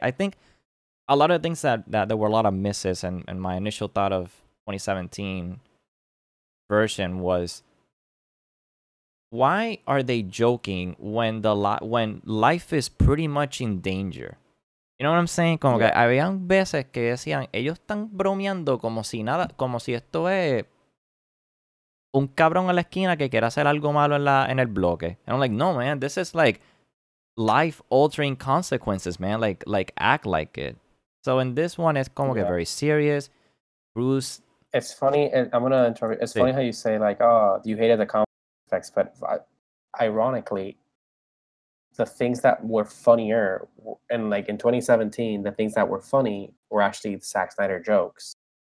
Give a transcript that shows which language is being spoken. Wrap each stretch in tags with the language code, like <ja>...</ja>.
<en>I think a lot of things that there were a lot of misses, and my initial thought of 2017 version was, why are they joking when when life is pretty much in danger? You know what I'm saying?</en> <es>Como que habían veces que decían, ellos están bromeando como si nada, como si esto es un cabrón a la esquina que quiera hacer algo malo en el bloque.</es> <en>And I'm like, no, man, this is like life-altering consequences, man. Like act like it. So in this one, it's</en> <es>como que</es> <en>very serious. Bruce. It's funny, and I'm gonna interrupt. It's funny how you say, like, oh, you hated the comic. Effects, but ironically, the things that were funnier, and like in 2017, the things that were funny were actually Zack Snyder jokes.</en>